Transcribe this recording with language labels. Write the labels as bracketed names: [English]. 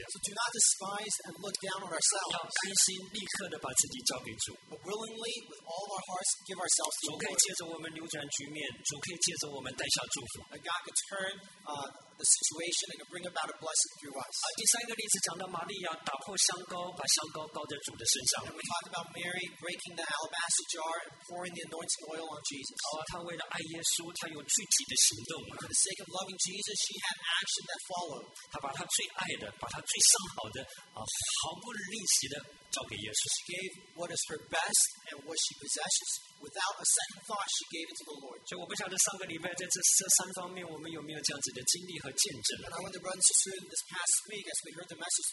[English] so do not despise and look down on ourselves. But willingly, with all of our hearts, give ourselves to the Lord. And God could turn the situation and could bring about a blessing through us. [Chinese] 第三个例子讲到玛利亚打破香膏，把香膏膏在主的身上。 [English] And we talked about Mary breaking the alabaster jar and pouring the anointing oil on Jesus. [Chinese] 她为了爱耶稣，她有具体的行动。 [English] For the sake of loving Jesus, she had action that followed. [Chinese] 她把她最爱的，把她最上好的，毫不吝惜的。 [English] She gave what is her best and what she possesses. Without a second thought, she gave it to the Lord. [Chinese] So 我不晓得上个礼拜在这三方面我们有没有这样子的经历和见证。 [English] And I want to run through this past week as we heard the message.